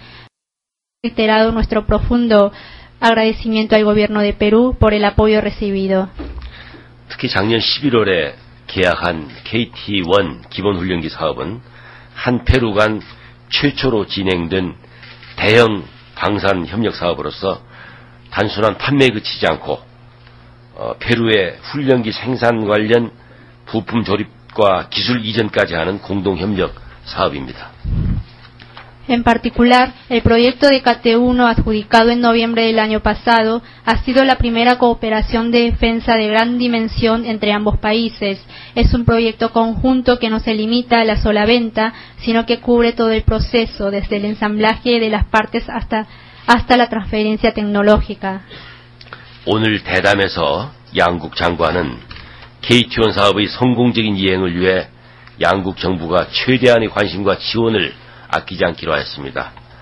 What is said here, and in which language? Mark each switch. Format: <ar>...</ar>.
<es>Hemos reiterado nuestro profundo agradecimiento al gobierno de Perú por el apoyo recibido.</es> <ko>특히 작년 11월에 계약한 KT1 기본훈련기 사업은 한 페루 간 최초로 진행된 대형 방산 협력 사업으로서 단순한 판매에 그치지 않고 페루의 훈련기 생산 관련 부품 조립과 기술 이전까지 하는 공동 협력 사업입니다.</ko> <es>En particular, el proyecto de KT1 adjudicado en noviembre del año pasado ha sido la primera cooperación de defensa de gran dimensión entre ambos países. Es un proyecto conjunto que no se limita a la sola venta, sino que cubre todo el proceso, desde el ensamblaje de las partes hasta la transferencia tecnológica.</es> <ko>오늘 대담에서 양국 장관은 KT1 사업의 성공적인 이행을 위해 양국 정부가 최대한의 관심과 지원을 아끼지 않기로 하였습니다.</ko>